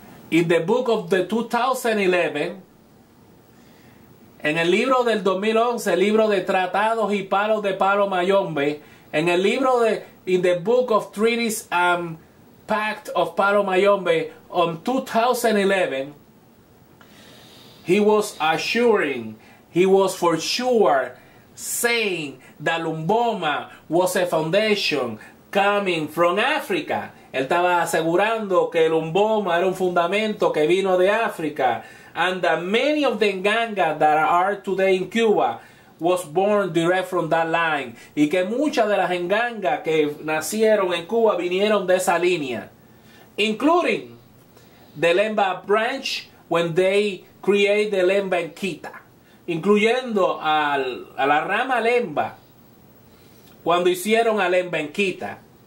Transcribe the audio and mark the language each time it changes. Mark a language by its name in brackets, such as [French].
[English] In the book of the 2011, [Spanish] en el libro del 2011, el libro de [English] tratados y palos de palo mayombe, en el libro de, in the book of treaties and pact of palo mayombe, on 2011, he was assuring, he was for sure saying that Lumbomba was a foundation coming from Africa. [Spanish] Él estaba asegurando que el Lumbomba era un fundamento que vino de África. [English] And that many of the Nganga that are today in Cuba was born direct from that line. [Spanish] Y que muchas de las Nganga que nacieron en Cuba vinieron de esa línea. [English] Including the Lemba branch when they create the Lemba en Quita. [Spanish] Incluyendo al, a la rama Lemba cuando hicieron a Lemba en Quita.